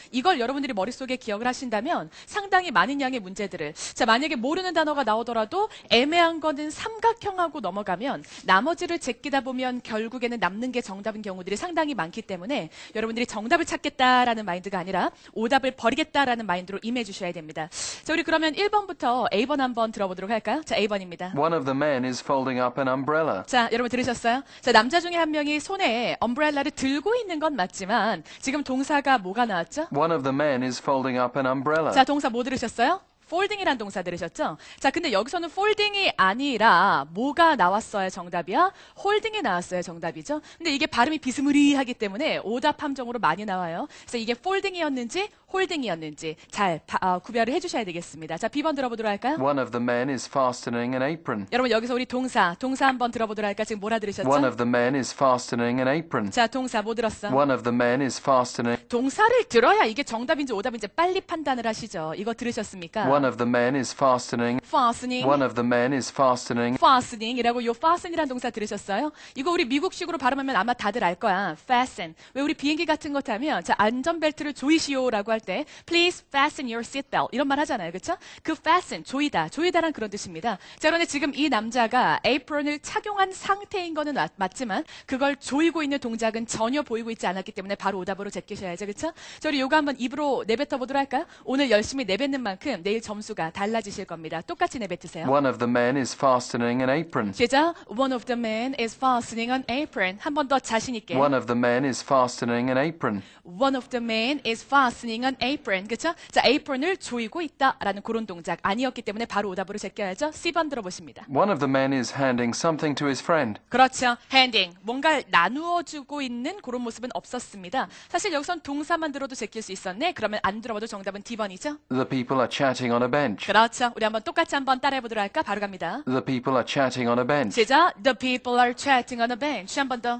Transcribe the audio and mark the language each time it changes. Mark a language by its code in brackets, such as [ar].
[ko] 이걸 여러분들이 머릿속에 기억을 하신다면 상당히 많은 양의 문제들을 자, 만약에 모르는 단어가 나오더라도 애매한 거는 삼각형하고 넘어가면 나머지를 제끼다 보면 결국에는 남는 게 정답인 경우들이 상당히 많기 때문에 여러분들이 정답을 찾겠다라는 마인드가 아니라 오답을 버리겠다라는 마인드로 임해주셔야 됩니다. 자, 우리 그러면 1번부터 A번 한번 들어보도록 할까요? 자, A번입니다. [en] One of the men is folding up an umbrella. [ko] 자, 여러분 들으셨어요? 자, 남자 중에 한 명이 손에 umbrella를 들고 있는 건 맞지만 지금 동사가 뭐가 나왔죠? [en] One of the men is folding up an umbrella. [ko] 자, 동사 뭐 들으셨어요? folding이란 동사 들으셨죠? 자, 근데 여기서는 folding이 아니라 뭐가 나왔어야 정답이야? holding이 나왔어야 정답이죠? 근데 이게 발음이 비스무리하기 때문에 오답 함정으로 많이 나와요. 그래서 이게 folding이었는지 holding이었는지 잘 구별을 해주셔야 되겠습니다. 자, B번 들어보도록 할까요? [en] One of the men is fastening an apron. [ko] 여러분, 여기서 우리 동사 한번 들어보도록 할까요? 지금 뭐라 들으셨죠? [en] One of the men is fastening an apron. [ko] 자, 동사 뭐 들었어? [en] One of the men is fastening. [ko] 동사를 들어야 이게 정답인지 오답인지 빨리 판단을 하시죠. 이거 들으셨습니까? [en] One of the men is fastening. Fastening. One of the men is fastening. [ko] Fastening. 이라고 요 fasten이라는 동사 들으셨어요? 이거 우리 미국식으로 발음하면 아마 다들 알 거야. Fasten. 왜 우리 비행기 같은 것 하면 자 안전벨트를 조이시오라고 할 때 [en] Please fasten your seatbelt. [ko] 이런 말 하잖아요. 그렇죠? 그 fasten, 조이다. 조이다란 그런 뜻입니다. 자, 그런데 지금 이 남자가 apron을 착용한 상태인 거는 맞지만 그걸 조이고 있는 동작은 전혀 보이고 있지 않았기 때문에 바로 오답으로 제껴셔야죠. 그렇죠? 자, 우리 요거 한번 입으로 내뱉어보도록 할까요? 오늘 열심히 내뱉는 만큼 내일 점수가 달라지실 겁니다. 똑같이 내뱉으세요. [en] One of the men is fastening an apron. [ko] 시작. [en] One of the men is fastening an apron. [ko] 한 번 더 자신 있게. [en] One of the men is fastening an apron. One of the men is fastening an apron. [ko] 그렇죠? 자, apron을 조이고 있다라는 그런 동작 아니었기 때문에 바로 오답으로 제껴야죠. C번 들어보십니다. [en] One of the men is handing something to his friend. [ko] 그렇죠. Handing. 뭔가를 나누어주고 있는 그런 모습은 없었습니다. 사실 여기선 동사만 들어도 제낄 수 있었네. 그러면 안 들어봐도 정답은 D번이죠. [en] The people are chatting. On a bench. [ko] 그렇죠. 우리 한번 똑같이 한번 따라해보도록 할까? 바로 갑니다. [en] The people are chatting on a bench. [ko] 시작. [en] The people are chatting on a bench. [ko] 한 번 더.